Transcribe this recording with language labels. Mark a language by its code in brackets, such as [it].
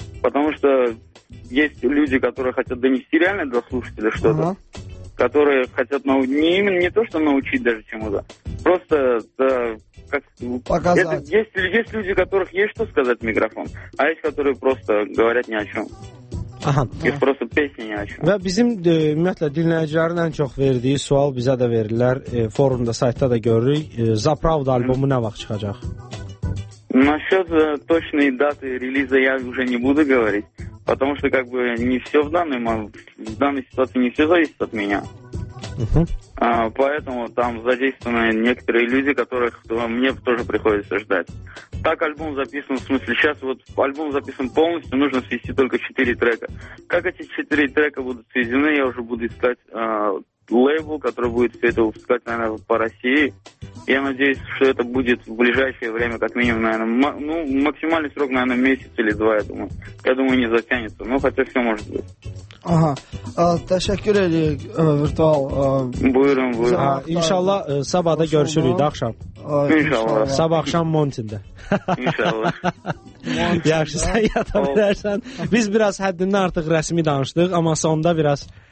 [ru] Потому что есть люди, которые хотят донести реально для слушателя что-то, ага. Которые хотят не то, что научить даже чему-то, просто... показать. Есть люди, у которых есть что сказать в микрофон, а есть, которые просто говорят ни о чем. Aha. Их просто песни ни о чем. [az] Ve bizim, ümumiyyətlə, dinləyicilərin ən çox verdiyi sual bizə də verirlər. Forumda, saytda da görürük. Zapravda albumu nə vaxt çıxacaq? [ru] Насчет точной даты релиза я уже не буду говорить, потому что как бы не все в данной ситуации не все зависит от меня. Поэтому там задействованы некоторые люди, которых мне тоже приходится ждать. Так альбом записан, в смысле, сейчас вот альбом записан полностью, нужно свести только 4 трека. Как эти 4 трека будут сведены, я уже буду искать лейбл, который будет все это выпускать, наверное, по России. Я надеюсь, что это будет в ближайшее время, как минимум, наверное, максимальный срок, наверное, месяц или два, я думаю, не затянется, но хотя все может быть. Aha. [az] Təşəkkür edirik virtual. Buyurun, buyurun. İnşallah sabah da görüşürük, axşam. İnşallah. Sabah axşam Montində. İnşallah. Yaxşı, sən yata bilərsən. Biz biraz həddindən artıq rəsmi danışdıq, amma sonda biraz...